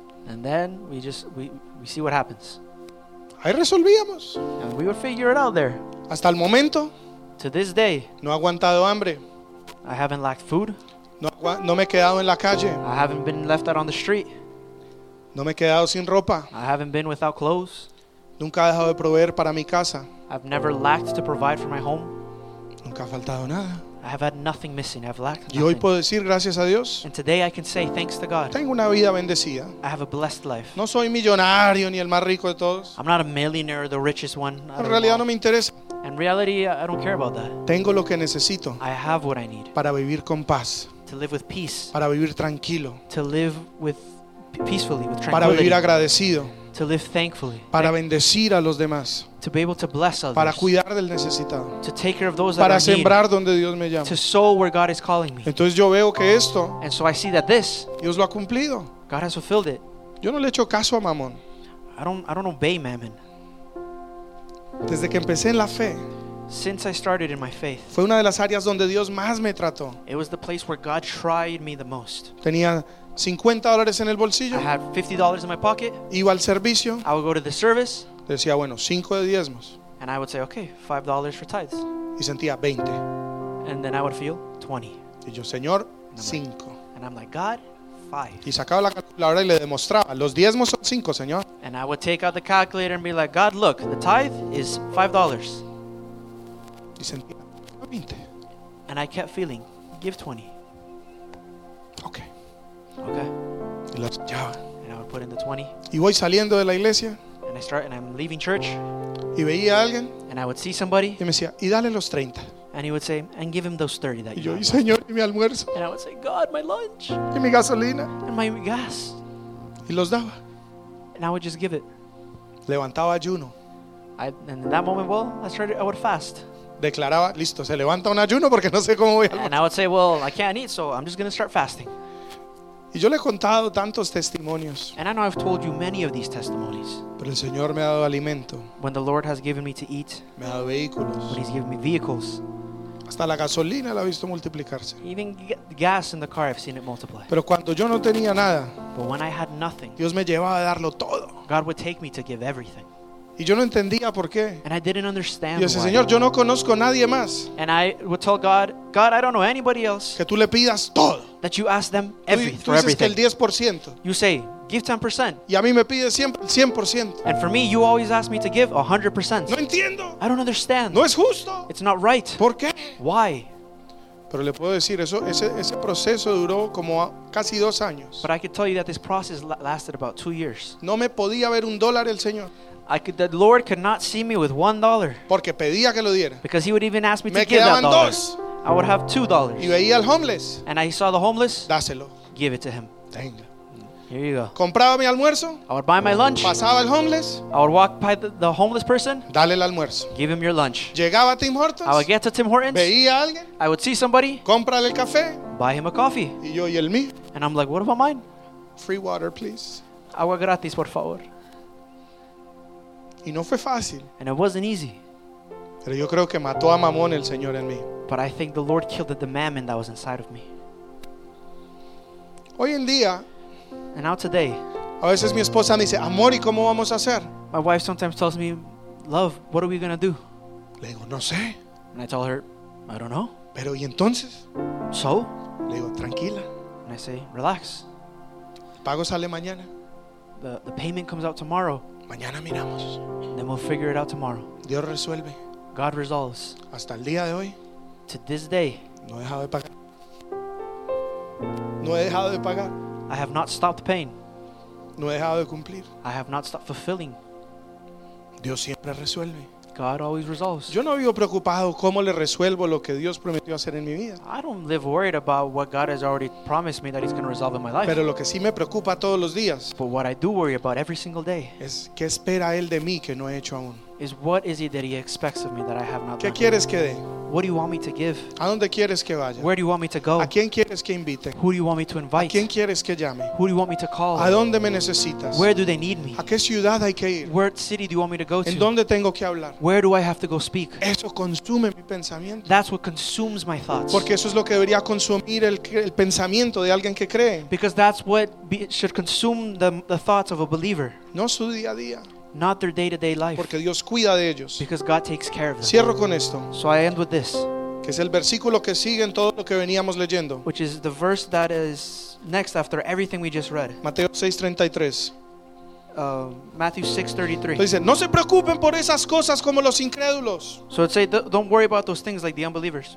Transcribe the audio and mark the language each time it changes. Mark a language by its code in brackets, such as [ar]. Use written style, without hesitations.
[en] And then we see what happens. [es] Ahí resolvíamos. [en] And we would figure it out there. [es] Hasta el momento. [en] To this day. [es] No he aguantado hambre. [en] I haven't lacked food. [es] No me he quedado en la calle. [en] I haven't been left out on the street. [es] No me he quedado sin ropa. [en] I haven't been without clothes. [es] Nunca he dejado de proveer para mi casa. [en] I've never lacked to provide for my home. [es] Nunca ha faltado nada. [en] I have had nothing missing. I've lacked nothing. [es] Y hoy puedo decir gracias a Dios. [en] And today I can say thanks to God. [es] Tengo una vida bendecida. [en] I have a blessed life. [es] No soy millonario ni el más rico de todos. [en] I'm not a millionaire, the richest one. [es] En realidad no me interesa. [en] In reality, I don't care about that. [es] Tengo lo que necesito. [en] I have what I need. [es] Para vivir con paz. [en] To live with peace. [es] Para vivir tranquilo. [en] To live with peacefully, with tranquility. [es] Para vivir agradecido. [en] To live thankfully. [es] Para bendecir a los demás. [en] To be able to bless others. [es] Para cuidar del necesitado. [en] To take care of those [es] para [en] that are [es] sembrar [en] need. [es] Donde Dios me llama. [en] To sow where God is calling me. [es] Entonces yo veo que esto, [en] and so I see that this, [es] Dios lo ha cumplido. [en] God has fulfilled it. [es] Yo no le echo caso a mamón. [en] I don't obey mammon. [es] Desde que empecé en la fe, [en] since I started in my faith, [es] fue una de las áreas donde Dios más me trató. [en] It was the place where God tried me the most. [es] Tenía $50 en el bolsillo. [en] I had $50 in my pocket. [es] Iba al servicio. [en] I would go to the service. [es] Decía, bueno, 5 de diezmos. [en] And I would say, okay, $5 for tithes. [es] Y sentía 20. [en] And then I would feel 20. [es] Y yo, Señor, 5. [en] And I'm like, God, 5. [es] Y sacaba la calculadora y le demostraba, los diezmos son 5, Señor. [en] And I would take out the calculator and be like, God, look, the tithe is $5. [es] Y sentía 20. [en] And I kept feeling, give 20. Okay. Okay. [es] Y lo sellaba. [en] And I would put in the 20. [es] Y voy saliendo de la iglesia. [en] And I start and I'm leaving church. [es] Y veía a alguien. [en] And I would see somebody. [es] Y me decía, y dale los 30. [en] And he would say, and give him those 30 that [es] y [en] you have. [es] Y Señor, y mi almuerzo. [en] And I would say, God, my lunch. [es] Y mi gasolina. [en] And my gas. [es] Y los daba. [en] And I would just give it. [es] Levantaba ayuno. [en] And in that moment, well, I would fast. [es] Declaraba, listo, se levanta un ayuno porque no sé cómo voy a. [en] And I would say, well, I can't eat, so I'm just going to start fasting. [es] Y yo le he contado tantos testimonios. [en] And I know I've told you many of these testimonies. [es] Pero el Señor me ha dado alimento. [en] When the Lord has given me to eat. [es] Me ha dado vehículos. [en] When he's given me vehicles. [es] Hasta la gasolina la he visto multiplicarse. [en] Even gas in the car I've seen it multiply. [es] Pero cuando yo no tenía nada. [en] But when I had nothing. [es] Dios me llevaba a darlo todo. [en] God would take me to give everything. [es] Y yo no entendía por qué. [en] And I didn't understand [es] Y yo decía, Señor, yo no conozco a nadie más. [en] And I would tell God, God, I don't know anybody else. [es] Que tú le pidas todo. [en] That you ask them everything. [es] Tú dices [en] for everything. [es] Que el 10%. [en] You say, give 10%. [es] Y a mí me pide siempre el 100%. [en] And for me, you always ask me to give 100%. [es] No entiendo. [en] I don't understand. [es] No es justo. [en] It's not right. [es] ¿Por qué? [en] Why? [es] Pero le puedo decir, ese proceso duró como casi 2 años. [en] But I could tell you that this process lasted about 2 years. [es] No me podía ver un dólar el Señor. [en] The Lord could not see me with $1. [es] Porque pedía que lo diera. [en] Because he would even ask me [es] me [en] to give that dollar. [es] Dos. [en] I would have $2. [es] Y veía al homeless. [en] And I saw the homeless. [es] Dáselo. [en] Give it to him. [es] Tenga. [en] Here you go. [es] Compraba mi almuerzo. [en] I would buy my lunch. [es] Pasaba el homeless. [en] I would walk by the homeless person. [es] Dale el almuerzo. [en] Give him your lunch. [es] Llegaba a Tim Hortons. [en] I would get to Tim Hortons. [es] Veía a alguien. [en] I would see somebody. [es] Cómprale el café. [en] Buy him a coffee. [es] Y yo, ¿y el mío? [en] And I'm like, what about mine? Free water, please. [es] Agua gratis, por favor. Y no fue fácil. [en] And it wasn't easy. [es] Pero yo creo que mató a mamón el Señor en mí. [en] But I think the Lord killed the mammon that was inside of me. [es] Hoy en día, [en] and now today, [es] a veces mi esposa me dice, amor, ¿y cómo vamos a hacer? [en] My wife sometimes tells me, love, what are we going to do? [es] Le digo, no sé. [en] And I tell her, I don't know. [es] Pero ¿y entonces? [en] So? [es] Le digo, tranquila. [en] And I say, relax. [es] Pago sale mañana. [en] The payment comes out tomorrow. [es] Mañana miramos. [en] then we'll figure it out tomorrow. [es] Dios resuelve. [en] God resolves. [es] Hasta el día de hoy. [en] To this day. [es] No he dejado de pagar. No he dejado de pagar. [en] I have not stopped paying. [es] No he dejado de cumplir. [en] I have not stopped fulfilling. [es] Dios siempre resuelve. [en] God always resolves. [es] Yo no vivo preocupado cómo le resuelvo lo que Dios prometió hacer en mi vida. [en] I don't live worried about what God has already promised me that He's going to resolve in my life. [es] Pero lo que sí me preocupa todos los días. [en] But what I do worry about every single day. [es] Es qué espera Él de mí que no he hecho aún. [en] Is what is it that He expects of me that I have not done? [es] ¿Qué quieres que dé? [en] What do you want me to give? [es] ¿A dónde quieres que vaya? [en] Where do you want me to go? [es] ¿A quién quieres que invite? [en] Who do you want me to invite? [es] ¿A quién quieres que llame? [en] Who do you want me to call? [es] ¿A dónde me necesitas? [en] Where do they need me? [es] ¿A qué ciudad hay que ir? [en] Where city do you want me to go to? [es] ¿En dónde tengo que hablar? [en] Where do I have to go speak? [es] Eso consume mi pensamiento. [en] That's what consumes my thoughts. [es] Porque eso es lo que debería consumir el pensamiento de alguien que cree. [en] Because that's what should consume the thoughts of a believer. [es] No su día a día. [en] Not their day-to-day life. [es] Porque Dios cuida de ellos. [en] Because God takes care of them. [es] Cierro con esto. [en] So I end with this. [es] Que es el versículo que sigue en todo lo que veníamos leyendo. [en] Which is the verse that is next after everything we just read. [es] Mateo 6:33. [en] Matthew 6:33. [es] Dice, no se preocupen por esas cosas como los incrédulos. [en] So it says, don't worry about those things like the unbelievers.